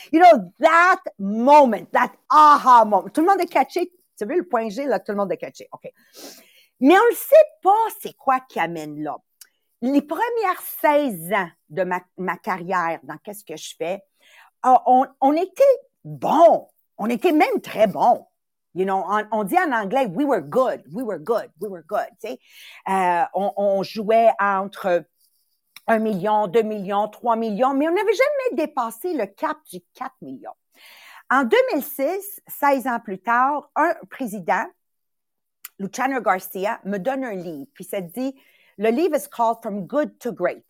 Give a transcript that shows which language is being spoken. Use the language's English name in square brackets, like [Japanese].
[English] You know, that moment, that aha moment. [French] Tout le monde a catché. Tu as vu le point G, là, tout le monde a catché. OK. Mais on ne sait pas c'est quoi qui amène là. Les premières 16 ans de ma carrière dans « Qu'est-ce que je fais? » On était bons. On était même très bons. [English] You know, [French] on dit en anglais, [English] we were good, we were good, we were good, [French] tu sais. On jouait entre 1 million, 2 millions, 3 millions, mais on n'avait jamais dépassé le cap du 4 millions. En 2006, 16 ans plus tard, un président, Luciano Garcia, me donne un livre, puis ça dit, le livre [English] is called From Good to Great.